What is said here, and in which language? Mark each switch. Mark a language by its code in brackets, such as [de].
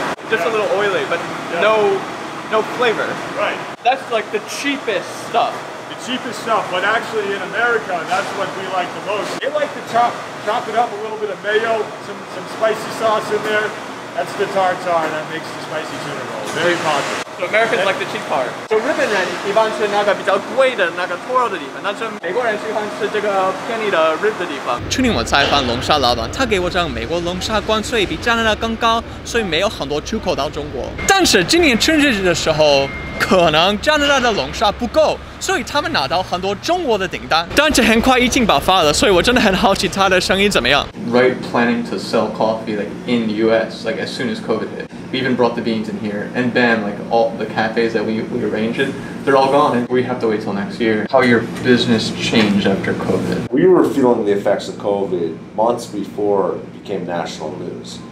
[en] Just a little oily, but no flavor. Right. That's like the cheapest stuff. The cheapest stuff, but actually in America, that's what we like the most. They like to chop it up, a little bit of mayo, some spicy sauce in there. That's the tartare that makes the spicy tuna roll. Very popular. So Americans like the cheap part. [zh] So 日本人一般吃那个比较贵的那个兔肉的地方，但是美国人喜欢吃这个便宜的 rib 的地方。去年我采访龙虾老板，他给我讲美国龙虾关税比加拿大更高，所以没有很多出口到中国。但是今年春节的时候，可能加拿大的龙虾不够，所以他们拿到很多中国的订单。但是很快疫情爆发了，所以我真的很好奇他的生意怎么样。 [en] Right, planning to sell coffee like in the U.S. like as soon as COVID hit. We even brought the beans in here, and bam, like all the cafes that we arranged it, they're all gone. We have to wait till next year. How your business changed after COVID? We were feeling the effects of COVID months before it became national news.